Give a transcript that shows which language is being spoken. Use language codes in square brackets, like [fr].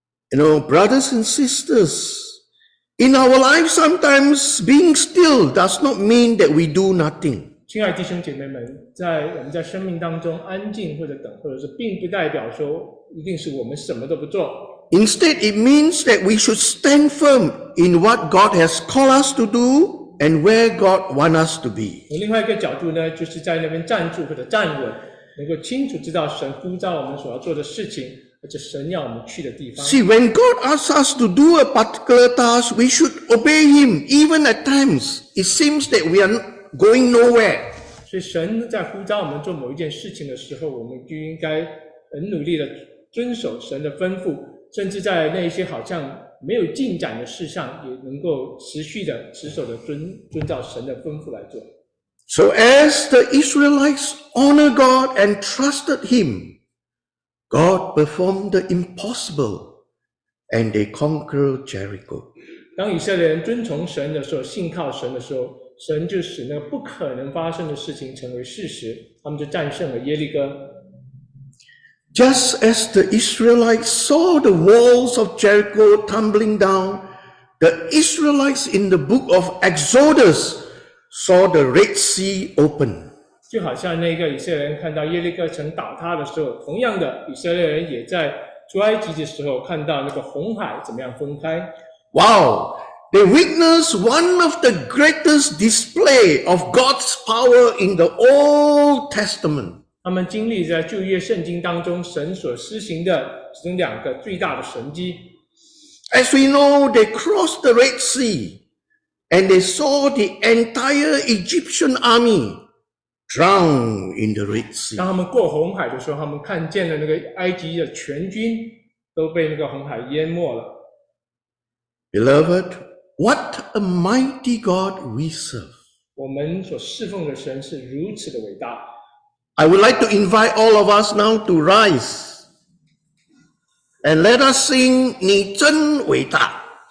[en] You know, brothers and sisters, in our life, sometimes being still does not mean that we do nothing. [zh] 亲爱弟兄姐妹们，在我们在生命当中安静或者等候的时候，并不代表说一定是我们什么都不做。 [en] Instead, it means that we should stand firm in what God has called us to do and where God wants us to be. [zh] 另外一个角度呢，就是在那边站住或者站稳，能够清楚知道神呼召我们所要做的事情，而且神要我们去的地方。 [en] See, when God asks us to do a particular task, we should obey Him. Even at times, it seems that we are going nowhere. [zh] 所以神在呼召我们做某一件事情的时候，我们就应该很努力的遵守神的吩咐，甚至在那些好像没有进展的事上，也能够持续的持守的遵照神的吩咐来做。 [en] So as the Israelites honored God and trusted Him, God performed the impossible, and they conquered Jericho. [zh] 当以色列人遵从神的时候，信靠神的时候，神就使那不可能发生的事情成为事实，他们就战胜了耶利哥。 [en] Just as the Israelites saw the walls of Jericho tumbling down, the Israelites in the book of Exodus saw the Red Sea open. [zh] 就好像那个以色列人看到耶利哥城倒塌的时候，同样的，以色列人也在出埃及的时候看到那个红海怎么样分开。 [en] Wow! They witnessed one of the greatest display of God's power in the Old Testament. [zh] 他们经历在旧约圣经当中神所施行的其中两个最大的神迹。 [en] As we know, they crossed the Red Sea, and they saw the entire Egyptian army drown in the Red Sea. [zh] 当他们过红海的时候，他们看见了那个埃及的全军都被那个红海淹没了。 [en] Beloved,What a mighty God we serve. [zh] 我们所侍奉的神是如此的伟大。 [en] I would like to invite all of us now to rise And let us sing, [zh] 你真伟大。